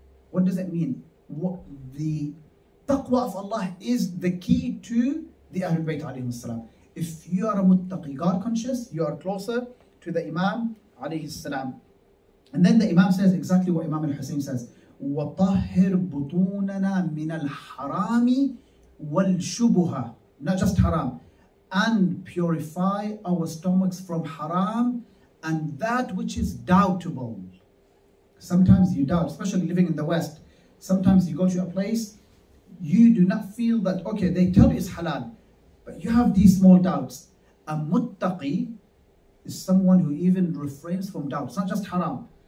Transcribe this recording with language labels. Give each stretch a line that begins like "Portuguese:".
English: What does that mean? What the taqwa of Allah is the key to the Ahlul Bayt alayhi salam. If you are a muttaqi, God conscious, you are closer to the Imam alayhi salam. And then the Imam says exactly what Imam al-Husayn says.
Arabic: وَطَهِّرْ بُطُونَنَا مِنَ الْحَرَامِ وَالْشُبُهَ
English: Not just haram. And purify our stomachs from haram and that which is doubtable. Sometimes you doubt, especially living in the West. Sometimes you go to a place, you do not feel that, okay, they tell you it's halal. You have these small doubts. A muttaqi is someone who even refrains from doubts, not just haram.